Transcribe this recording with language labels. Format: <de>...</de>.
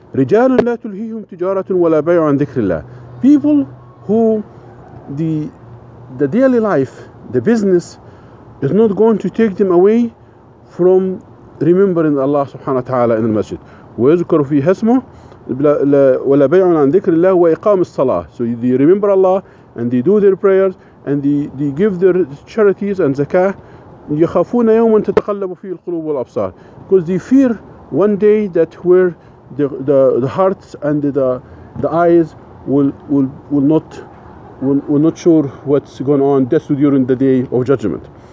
<ar>رجال لا تلهيهم تجارة ولا بيع عن ذكر الله.</ar> <en>People who the daily life, the business, is not going to take them away from remembering Allah subhanahu wa ta'ala in the masjid.</en> <ar>ويذكر فيها اسمه ولا بيع عن ذكر الله وإقام الصلاة.</ar> <en>So they remember Allah and they do their prayers and they give their charities and zakah.</en> <ar>يخافون يوما تتقلب فيه القلوب والأبصار,</ar> <en>because they fear one day that where the hearts and the eyes will not sure what's going on just during the day of judgment.</en>